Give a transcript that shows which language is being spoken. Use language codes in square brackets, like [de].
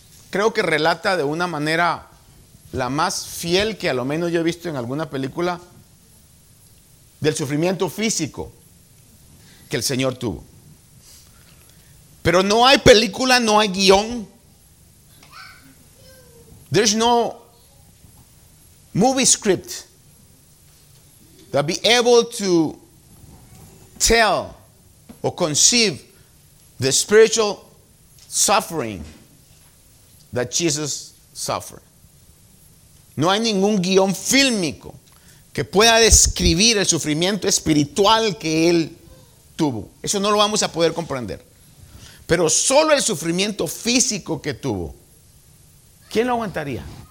[es] Creo que relata de una manera la más fiel que a lo menos yo he visto en alguna película del sufrimiento físico que el Señor tuvo. Pero no hay película, no hay guión. [en] There's no movie script that be able to tell or conceive the spiritual suffering that Jesus suffered. [es] No hay ningún guión fílmico que pueda describir el sufrimiento espiritual que Él tuvo. Eso no lo vamos a poder comprender. Pero solo el sufrimiento físico que tuvo, ¿quién lo aguantaría?